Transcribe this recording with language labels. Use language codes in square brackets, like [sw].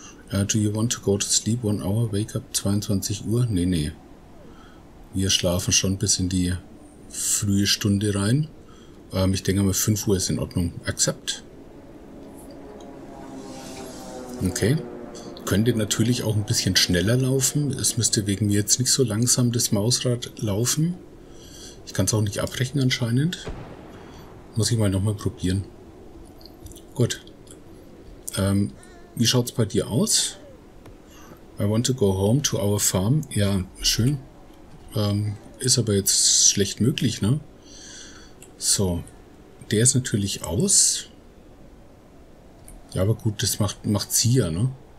[en] Do you want to go to sleep 1 hour? Wake up [de] 22 Uhr? Nee, nee. Wir schlafen schon bis in die frühe Stunde rein. Ich denke mal, 5 Uhr ist in Ordnung. Accept. Okay. Könnte natürlich auch ein bisschen schneller laufen. Es müsste wegen mir jetzt nicht so langsam das Mausrad laufen. Ich kann es auch nicht abbrechen anscheinend. Muss ich mal nochmal probieren. Gut. Wie schaut's bei dir aus? [en] I want to go home to our farm. [de] Ja, schön. Ist aber jetzt schlecht möglich, ne? So, der ist natürlich aus. Ja, aber gut, das macht sie ja, ne?